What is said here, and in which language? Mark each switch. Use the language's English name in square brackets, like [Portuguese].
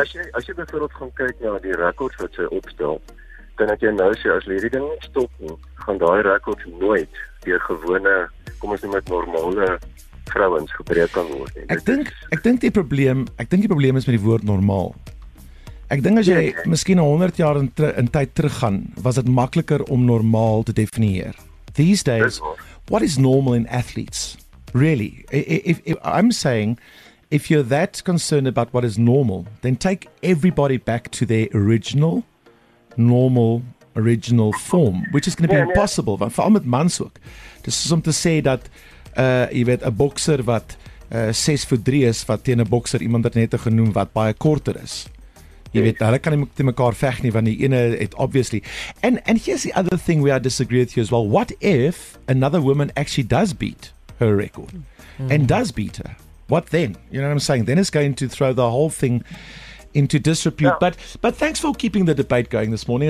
[Afrikaans] as jy byvoorbeeld gaan kyk na die records wat sy opstel, kan ek jy nou sê, as hierdie ding nie stop nie, gaan daai records nooit deur gewone, kom ons noem dit normale vrouens gebreek kan word. Ek dink die probleem is met die woord normaal. Ek dink as jy miskien 100 jaar in tyd teruggaan, was dit makliker om normaal te definieer. [English] These days, what is normal in athletes? Really? If I'm saying, if you're that concerned about what is normal, then take everybody back to their original form, which is going to be impossible. [Afrikaans] Want veral met mans ook. Dis soos om te sê dat jy weet, 'n bokser wat 6'3" is, wat teen 'n bokser iemand wat net genoem wat baie korter is. Jy weet, hulle kan nie teen mekaar veg nie, want die ene het obviously. [English] And here's the other thing we are disagree with you as well. What if another woman actually does beat her record? And does beat her? What then? You know what I'm saying? Then it's going to throw the whole thing into disrepute. Yeah. But thanks for keeping the debate going this morning.